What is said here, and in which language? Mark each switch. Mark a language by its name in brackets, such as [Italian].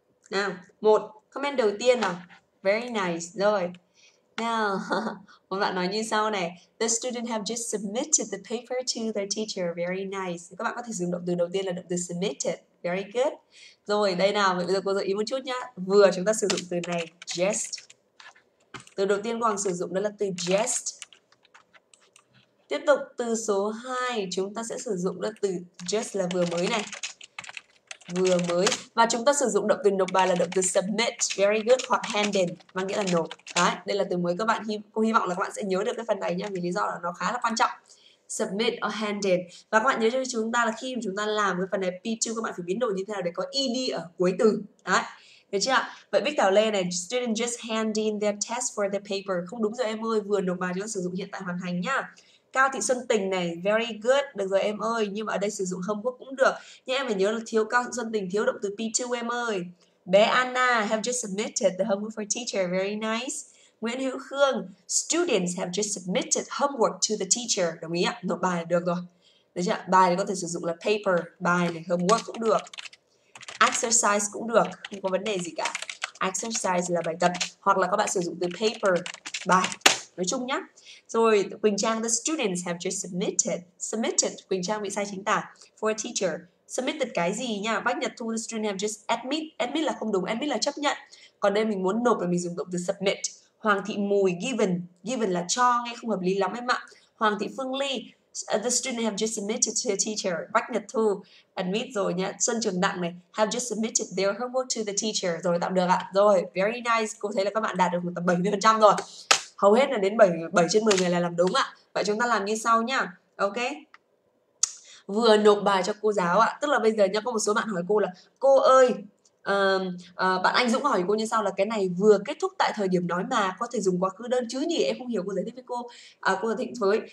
[Vietnamese] Nào, một, comment đầu tiên nào. [English] Very nice, [Vietnamese] rồi. Nào, một bạn nói như sau này. [English] The student have just submitted the paper to their teacher, [Vietnamese] very nice. Các bạn có thể dùng động từ đầu tiên là động từ submitted. [English] Very good. [Vietnamese] Rồi, đây nào, bây giờ cô gợi ý một chút nhá. Vừa chúng ta sử dụng từ này, just. Từ đầu tiên cô Hoàng sử dụng đó là từ just. Tiếp tục từ số 2, chúng ta sẽ sử dụng đó từ just là vừa mới này. Vừa mới. Và chúng ta sử dụng động từ nộp bài là động từ submit. [English] Very good. [Vietnamese] Hoặc handed, mà nghĩa là nộp. Đấy, đây là từ mới các bạn. Cô hy vọng là các bạn sẽ nhớ được cái phần này nhá, vì lý do là nó khá là quan trọng. [English] Submit or handed. [Vietnamese] Và các bạn nhớ cho chúng ta là khi chúng ta làm cái phần này P2, các bạn phải biến đổi như thế nào để có ED ở cuối từ. Đấy, được chưa? [English] Vậy Bích Thảo Lê này, student just hand in their test for their paper. [Vietnamese] Không đúng rồi em ơi, vừa nộp bài chúng ta sử dụng hiện tại hoàn thành nhá. Cao Thị Xuân Tình này, [English] very good. [Vietnamese] Được rồi em ơi, nhưng mà ở đây sử dụng hôm quốc cũng được. Nhưng em phải nhớ là thiếu Cao Thị Xuân Tình, thiếu động từ P2 em ơi. [English] Bé Anna, have just submitted the homework for teacher, very nice. Nguyễn Hữu Khương, students have just submitted homework to the teacher. [Vietnamese] Đồng ý ạ, nộp bài được rồi. Được chưa? Bài có thể sử dụng là paper, bài này, homework cũng được. Exercise cũng được, không có vấn đề gì cả. Exercise là bài tập, hoặc là các bạn sử dụng từ paper, bài, nói chung nhá. [English] Rồi, Quỳnh Trang, the students have just submitted. [Vietnamese] Submitted, Quỳnh Trang bị sai chính tả. For a teacher. Submitted cái gì nhá? [English] Bác Nhật Thu, the students have just admit. Admit [Vietnamese] là không đúng, admit là chấp nhận. Còn đây mình muốn nộp là mình dùng động từ submit. Hoàng Thị Mùi, given. Given là cho, nghe không hợp lý lắm em ạ. [English] Hoàng Thị Phương Ly, the student have just submitted to the teacher. [Vietnamese] Bách Nhật Thu admit rồi nhé. [English] Xuân Trường Đặng này, have just submitted their homework to the teacher. [Vietnamese] Rồi tạm được ạ. Rồi, [English] very nice. [Vietnamese] Cô thấy là các bạn đạt được tầm 70% rồi. Hầu hết là đến 7 trên 10 người là làm đúng ạ. Vậy chúng ta làm như sau nhá. Ok. Vừa nộp bài cho cô giáo ạ. Tức là bây giờ nhá, có một số bạn hỏi cô là cô ơi, bạn Anh Dũng hỏi cô như sau là cái này vừa kết thúc tại thời điểm nói mà, có thể dùng quá khứ đơn chứ nhỉ? Em không hiểu, cô giải thích với cô. Cô giải thích với.